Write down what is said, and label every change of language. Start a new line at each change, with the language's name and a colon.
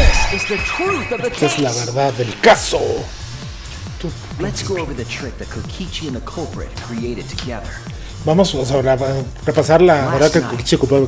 Spanish: Esta es la verdad del caso.
English: Let's go over the trick that Kokichi and the culprit created together.
Spanish: Vamos a repasar la verdad que Kokichi ocupó el